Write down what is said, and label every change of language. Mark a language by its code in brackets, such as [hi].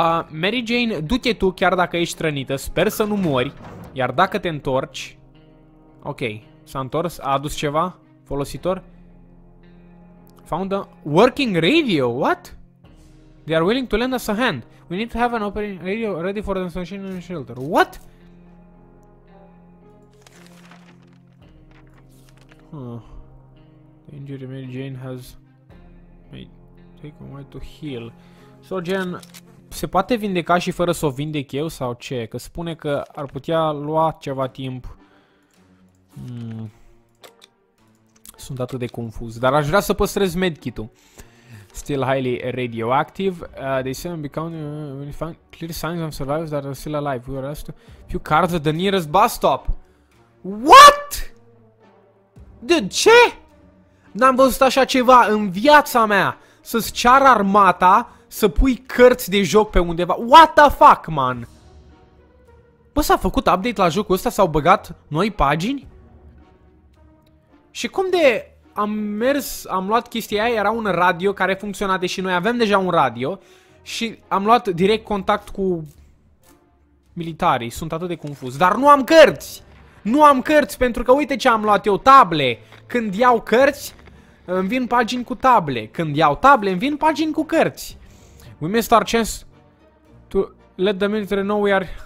[ro] Mary Jane, du-te tu, chiar dacă ești rănită, sper să nu mori, iar dacă te întorci. Ok, s-a întors, a adus ceva folositor. [en] Found a working radio, what? They are willing to lend us a hand. We need to have an operating radio ready for the machine in the shelter. What? The injury Mary Jane has may take a while to heal. [ro] So, Jen, se poate vindeca și fără să o vindec eu sau ce? Că spune că ar putea lua ceva timp. Sunt atât de confuz, dar aș vrea să păstrez medkit-ul. [en] Still highly radioactive. They seem to be counting when you find clear signs of survivors that are still alive. We were asked to few cars at the nearest bus stop. What? [ro] De ce? N-am văzut așa ceva în viața mea. Să-ți ceară armata să pui cărți de joc pe undeva. [en] What the fuck, man? [ro] Bă, s-a făcut update la jocul ăsta? S-au băgat noi pagini? Și cum de... Am mers, am luat chestia aia, era un radio care funcționa, deși noi avem deja un radio. Și am luat direct contact cu militarii, sunt atât de confuz. Dar nu am cărți! Nu am cărți, pentru că uite ce am luat eu, table! Când iau cărți, îmi vin pagini cu table. Când iau table, îmi vin pagini cu cărți. [en] We missed our chance to let the military know we are...